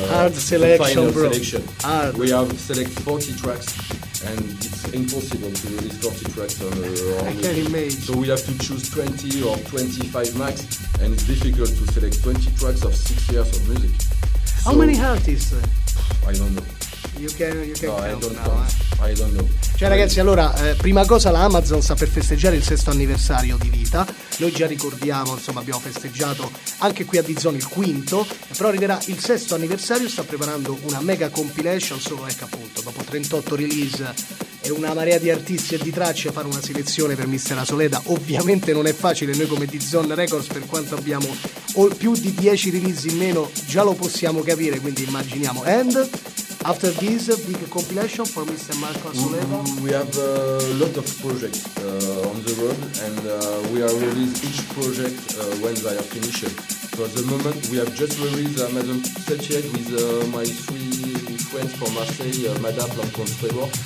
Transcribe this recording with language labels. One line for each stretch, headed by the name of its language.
English: hard selection, the final bro. Selection. Hard. We have select 40 tracks, and it's impossible to release 40 tracks on I can't imagine. So we have to choose 20 or 25 max, and it's difficult to select 20 tracks of 6 years of music. So, how many artists? I don't know.
Italian: Cioè ragazzi, allora, prima cosa, la Amazon sta per festeggiare il sesto anniversario di vita. Noi già ricordiamo, insomma, abbiamo festeggiato anche qui a Dizon il quinto, però arriverà il sesto anniversario, sta preparando una mega compilation, solo ecco appunto, dopo 38 release e una marea di artisti e di tracce, a fare una selezione per Mister La Soleda ovviamente non è facile. Noi come Dizon Records, per quanto abbiamo più di 10 release in meno, già lo possiamo capire, quindi immaginiamo.
English: And after this big compilation for Mr. Marco Soleda, we have a lot of projects on the road, and we are releasing each project when they are finished. For the moment, we have just released Madame 38 with my three friends from Marseille, Madame and Trevor.